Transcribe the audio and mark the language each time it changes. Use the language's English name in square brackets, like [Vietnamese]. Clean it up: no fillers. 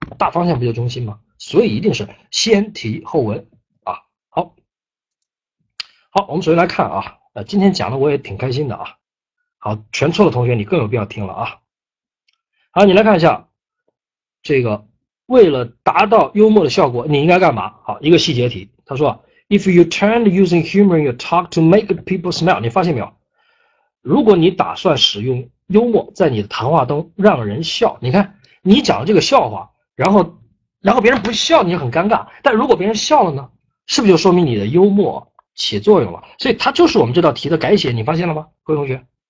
[Chinese] 大方向不就中心吗？所以一定是先题后文。好，我们首先来看啊，今天讲的我也挺开心的啊。好，全错的同学你更有必要听了啊。好，你来看一下，这个为了达到幽默的效果，你应该干嘛？好，一个细节题，他说， [English] If you trend using humor in your talk to make people smile， [Chinese] 你发现没有？如果你打算使用幽默在你的谈话中让人笑，你看你讲了这个笑话，然后别人不笑你就很尴尬，但如果别人笑了呢，是不是就说明你的幽默？起作用了，所以它就是我们这道题的改写，你发现了吗，各位同学？